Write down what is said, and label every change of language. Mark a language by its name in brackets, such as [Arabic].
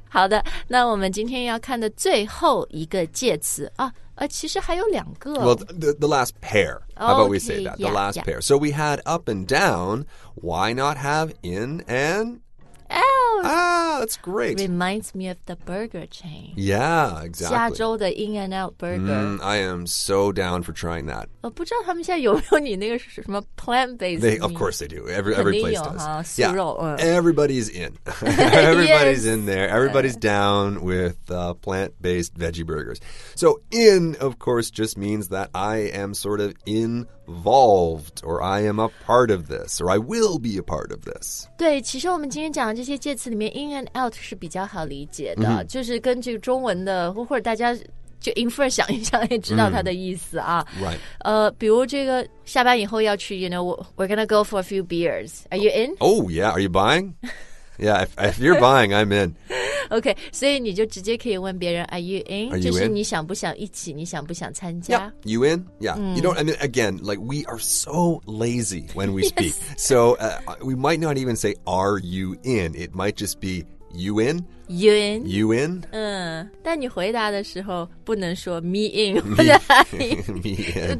[Chinese] 好的那我们今天要看的最后一个介词、其实还有两个。 [English] Well, the last pair. How about we say that? Okay, the last yeah, pair. So we had up and down. Why not have in and out? out. Ah, that's great. Reminds me of the burger chain. Yeah, exactly. [Chinese] 加州的 In-N-Out Burger. Mm, [English] I am so down for trying that. [Chinese] 不知道他们现在有没有你那个什么 plant-based [English] meat? Of course they do. Every place does. [Chinese] 肯定有哈，素肉。 [English] Everybody's in. Everybody's in there. Everybody's down with plant-based veggie burgers. So in, of course, just means that I am sort of involved, or I am a part of this, or I will be a part of this. [Chinese] 对，其实我们今天讲的这些介词里面 in and out 是比较好理解的、mm-hmm. 就是根据中文的或者大家就 infer 想一想也知道它的意思啊、 [English] mm-hmm. Right. [Chinese] 比如这个下班以后要去 [English] you know, we're gonna go for a few beers. Are you in? Oh yeah, are you buying? Yeah, if you're buying, I'm in. [Chinese] OK, 所以你就直接可以问别人 [English] Are you in? Are you [Chinese] 就是你想不想一起你想不想参加 [English] Yeah, you in? Yeah,、mm. you don't, I mean, again, like we are so lazy when we speak. Yes. So、we might not even say Are you in? It might just be You in? You in? You in? [Chinese] 但你回答的时候不能说 [English] Me in Me, me in